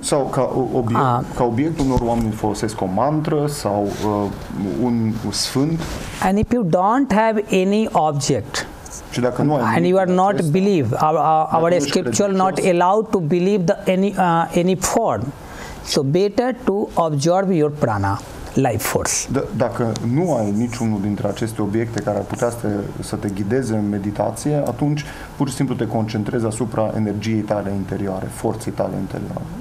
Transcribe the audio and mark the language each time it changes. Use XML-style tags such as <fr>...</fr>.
<ro>Sau ca obiect, unor oameni folosesc o mantră sau un sfânt.</ro> <en>And if you don't have any object,</en> <ro>și dacă nu ai</ro> <en>and you are not</en> <ro>acesta,</ro> <en>believe our scripture not allowed to believe the any form, so better to absorb your prana, life force.</en> <ro>Dacă nu ai niciunul dintre aceste obiecte care ar putea să te ghideze în meditație, atunci pur și simplu te concentrezi asupra energiei tale interioare, forței tale interioare.</ro>